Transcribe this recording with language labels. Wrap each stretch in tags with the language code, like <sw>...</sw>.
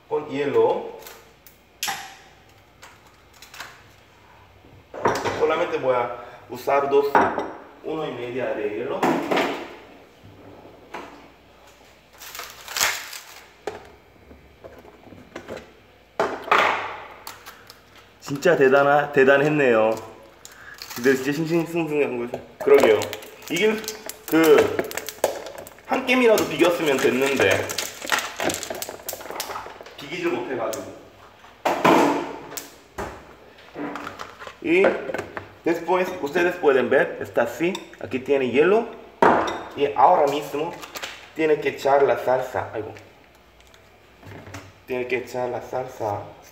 <es>Hielo, solamente voy a usar dos, uno y media de hielo,</es> <ko>진짜 대단했네요. 내 진짜 싱싱숭숭한 거지. 그러게요. 이긴 그한 게임이라도 비겼으면 됐는데 비기질 못해가지고.</ko> <es>이 después ustedes pueden ver, está así, aquí tiene hielo y ahora mismo tiene que echar la salsa. Ay, bueno. Tiene que echar la salsa.</es>